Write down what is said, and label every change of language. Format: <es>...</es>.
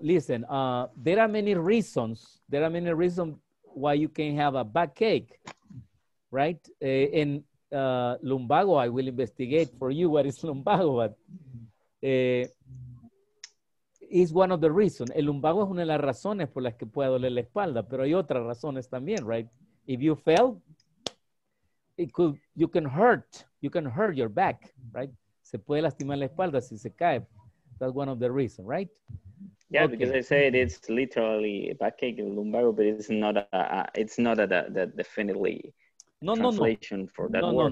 <en>Listen, there are many reasons why you can have a backache, right? Lumbago, I will investigate for you what is lumbago, but is one of the reasons.</en> <es>El lumbago es una de las razones por las que puede doler la espalda, pero hay otras razones también, right?</es> <en>If you fell, you can hurt your back, right?</en> <es>Se puede lastimar la espalda si se cae.</es> <en>That's one of the reasons, right? Yeah, okay. Because I said it's literally backache, lumbago, but it's not a definitely translation for that word.</en>